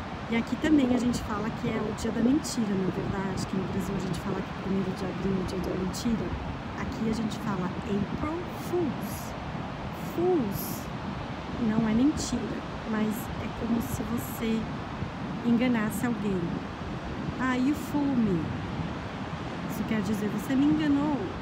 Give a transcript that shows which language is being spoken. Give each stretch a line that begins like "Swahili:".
Portuguese: E aqui também a gente fala que é o dia da mentira, não é verdade? Que no Brasil a gente fala que 1º de abril é o dia da mentira. Aqui a gente fala April Fools. Fools não é mentira, mas é como se você enganasse alguém.
English: Ah, you fooled me.
Portuguese: Isso quer dizer, você me enganou.